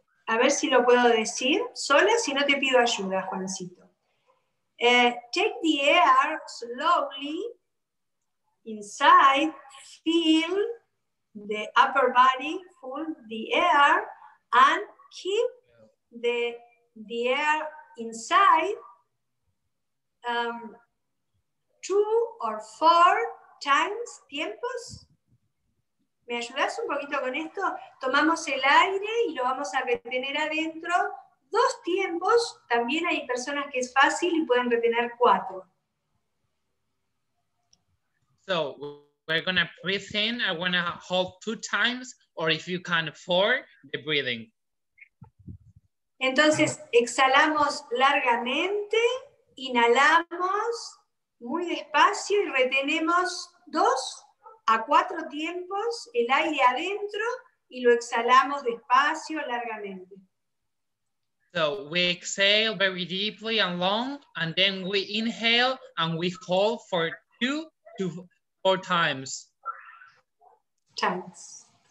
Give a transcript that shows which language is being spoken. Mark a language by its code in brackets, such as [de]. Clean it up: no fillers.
[es] A ver si lo puedo decir sola, si no te pido ayuda, Juancito. [en] Take the air slowly inside, feel the upper body full the air and keep the air inside. Two or four times, tiempos. [es] ¿Me ayudas un poquito con esto? Tomamos el aire y lo vamos a retener adentro. Dos tiempos, también hay personas que es fácil y pueden retener cuatro. [en] So, we're going to breathe in. I want to hold two times, or if you can, four, the breathing. [es] Entonces, exhalamos largamente, inhalamos muy despacio y retenemos dos a cuatro tiempos el aire adentro y lo exhalamos despacio, largamente. [en] So we exhale very deeply and long and then we inhale and we hold for two to four times. Times.